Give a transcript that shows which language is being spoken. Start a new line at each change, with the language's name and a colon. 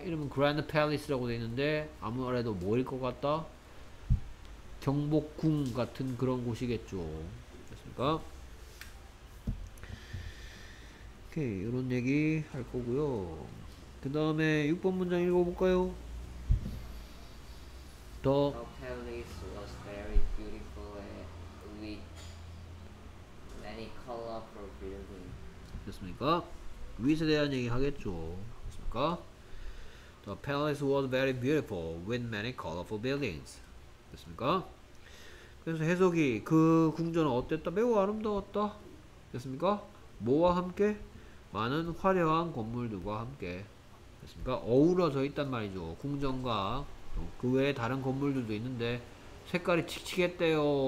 Korean: 이름은 grand palace라고 돼 있는데 아무래도 뭐일 것 같다? 경복궁 같은 그런 곳이겠죠. 됐습니까? 오케이, 이런 얘기 할 거고요. 그 다음에 6번 문장 읽어볼까요?
English: The palace was very beautiful with many colorful buildings.
Korean: 됐습니까? 위에 대한 얘기 하겠죠. 됐습니까?
English: The palace was very beautiful with many colorful buildings.
Korean: 됐습니까? 그래서 해석이 그 궁전은 어땠다? 매우 아름다웠다. 됐습니까? 뭐와 함께? 많은 화려한 건물들과 함께. 됐습니까? 어우러져 있단 말이죠. 궁전과 그 외에 다른 건물들도 있는데 색깔이 칙칙했대요.